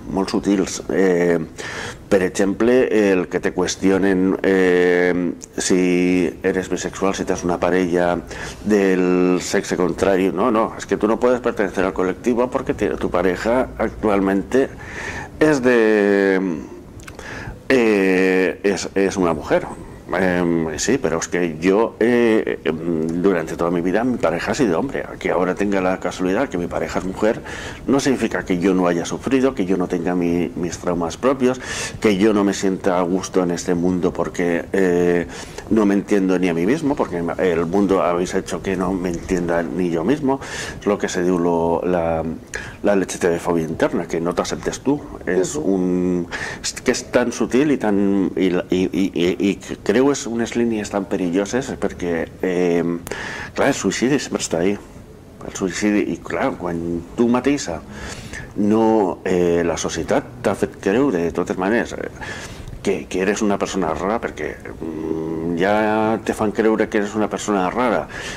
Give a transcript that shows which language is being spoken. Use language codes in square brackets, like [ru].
[ca] Molt sutils. Per exemple, el que te qüestionen si eres bisexual, si tens una parella del sexe contrari. No, és que tu [es] no puedes pertenecer [ca] al col·lectiu perquè tu pareja actualmente és de... és una mujer. Sí, però és que jo, durant tota la meva vida, [es] mi pareja ha sido hombre. [ca] Que ara tinga la casualitat [es] que mi pareja és mujer no significa que jo no haya sufrido, que jo no tenga mis traumas propios, que jo no me sienta a gusto en este mundo porque no me entiendo ni a mí mismo, porque el mundo habéis hecho que no me entienda ni yo mismo. [ca] Es lo que se diu la LGTB-fòbia interna, que no t'acceptes tu. És un... que és tan sutil i tan... i creu veus unes línies tan perilloses és perquè, clar, el suïcidi sempre està ahí. El suïcidi, i clar, quan tu mateixa, no, la societat t'ha fet creure, de totes maneres, que eres una persona rara, perquè ja te fan creure que eres una persona rara.